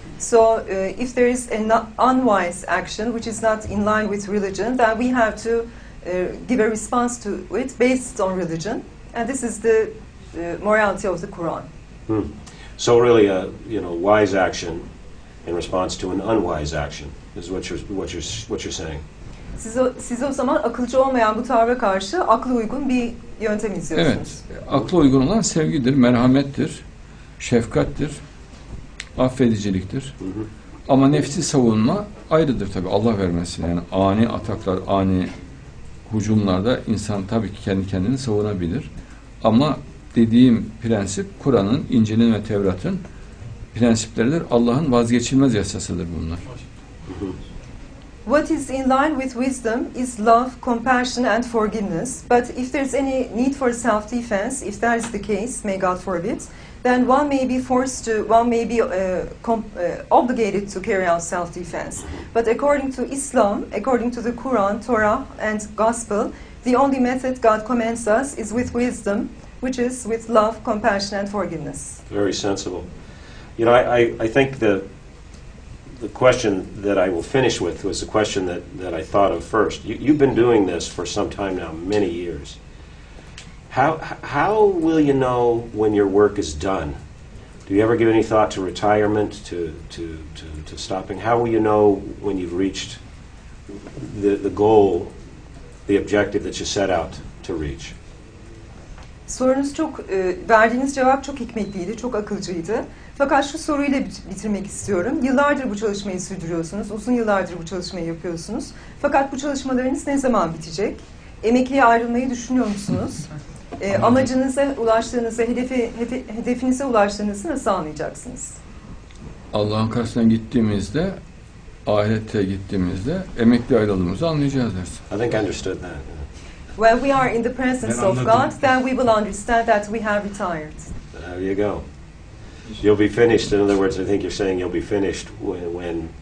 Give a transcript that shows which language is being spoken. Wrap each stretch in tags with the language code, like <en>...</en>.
<en>So if there is an unwise action which is not in line with religion, then we have to give a response to it based on religion. And this is the morality of the Quran. So really a wise action in response to an unwise action is what you're saying.</en> <tr>Siz o zaman akılcı olmayan bu tavra karşı akla uygun bir yöntem izliyorsunuz. Evet. Akla uygun olan sevgidir, merhamettir, şefkattir, affediciliktir. Ama nefsi savunma ayrıdır tabii. Allah vermesin. Yani ani ataklar, ani hücumlarda insan tabii ki kendi kendini savunabilir. Ama dediğim prensip Kur'an'ın, İncil'in ve Tevrat'ın prensipleridir. Allah'ın vazgeçilmez yasasıdır bunlar.</tr> <en>What is in line with wisdom is love, compassion and forgiveness. But if there's any need for self-defense, if that is the case, may God forbid, then one may be forced to, one may be obligated to carry out self-defense. But according to Islam, according to the Quran, Torah and Gospel, the only method God commands us is with wisdom, which is with love, compassion and forgiveness. Very sensible. You know, I think the question that I will finish with was the question that I thought of first. You've been doing this for some time now, many years. How will you know when your work is done? Do you ever give any thought to retirement, to stopping? How will you know when you've reached the goal, the objective that you set out to reach?</en> <tr>Sorunuz çok, verdiğiniz cevap çok hikmetliydi, çok akılcıydı. Fakat şu soruyla bitirmek istiyorum. Yıllardır bu çalışmayı sürdürüyorsunuz, uzun yıllardır bu çalışmayı yapıyorsunuz. Fakat bu çalışmalarınız ne zaman bitecek? Emekliye ayrılmayı düşünüyor musunuz? Amacınıza ulaştığınızda, hedefinize ulaştığınızda nasıl anlayacaksınız? Allah'ın karşısına gittiğimizde, ahirete gittiğimizde emekli ayrıldığımızı anlayacağız dersin.</tr> <en>I think I understood that. When we are in the presence of God, then we will understand that we have retired. There you go. You'll be finished. In other words, I think you're saying you'll be finished when</en>